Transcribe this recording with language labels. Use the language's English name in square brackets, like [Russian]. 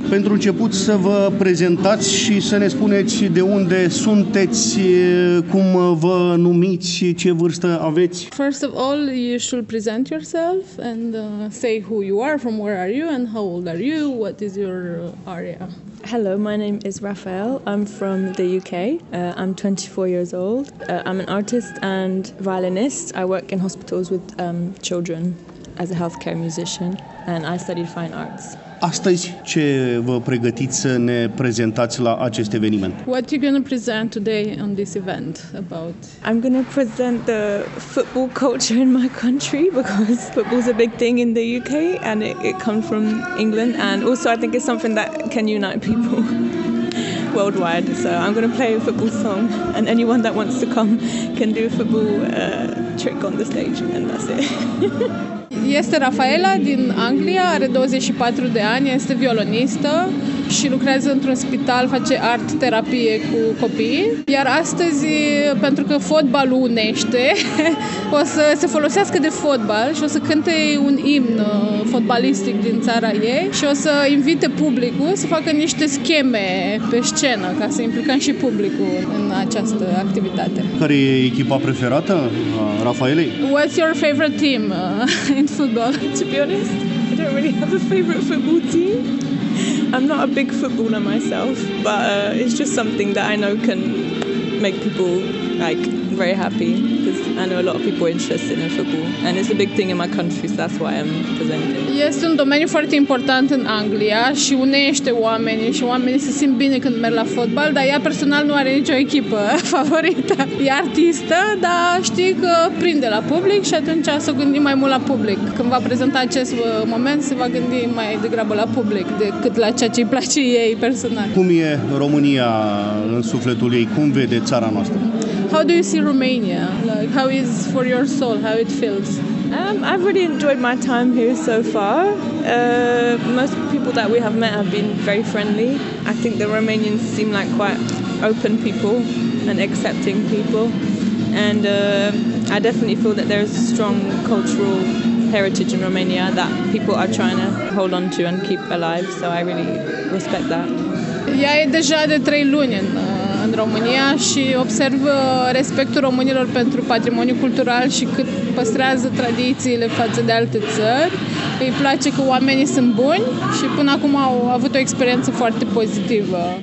[Romanian] pentru început să vă prezentați și să ne spuneți de unde sunteți, cum vă numiți și ce vârstă aveți. [English] First of all, you should present yourself and say who you are, from where are you and how old are you, what is your area. Hello, my name is Raphael. I'm from the UK. I'm 24 years old. I'm an artist and violinist. I work in hospitals with children as a healthcare musician and I studied fine arts. [Romanian] Astăzi ce vă pregătiți să ne prezentați la acest eveniment? [English] What you going to present today on this event about? I'm going to present the football culture in my country because football's a big thing in the UK and it comes from England and also I think it's something that can unite people worldwide. So I'm going to play a football song and anyone that wants to come can do a football trick on the stage and that's it. [Romanian] Este Rafaela din Anglia, are 24 de ani, este violonistă și lucrează într-un spital, face art terapie cu copiii. Iar astăzi, pentru că fotbalul unește, o să se folosească de fotbal și o să cânte un imn fotbalistic din țara ei și o să invite publicul să facă niște scheme pe scenă ca să implicăm și publicul în această activitate. Care e echipa preferată a Rafaelei? [English] What's your favorite team in football? To be honest, I don't really have a favorite football team. I'm not a big footballer myself, but it's just something that I know can make people like very happy because I know a lot of people are interested in football and it's a big thing in my country, so that's why I'm presenting. [Romanian] Este un domeniu foarte important în Anglia și unește oamenii și oamenii se simt bine când merg la fotbal, dar ea personal nu are nicio echipă favorită. E artistă, dar știi că prinde la public și atunci s-o gândi mai mult la public. Când va prezenta acest moment, se va gândi mai degrabă la public decât la ceea ce îi place ei personal. Cum e România în sufletul ei? Cum vede țara noastră? [English] How do you see Romania? Like, how is for your soul? How it feels? I've really enjoyed my time here so far. Most people that we have met have been very friendly. I think the Romanians seem like quite open people and accepting people. And I definitely feel that there is a strong cultural heritage in Romania that people are trying to hold on to and keep alive. So I really respect that. [Romanian] Ea e deja de 3 luni în România și observ respectul românilor pentru patrimoniul cultural și cât păstrează tradițiile față de alte țări. Îi place că oamenii sunt buni și până acum au avut o experiență foarte pozitivă.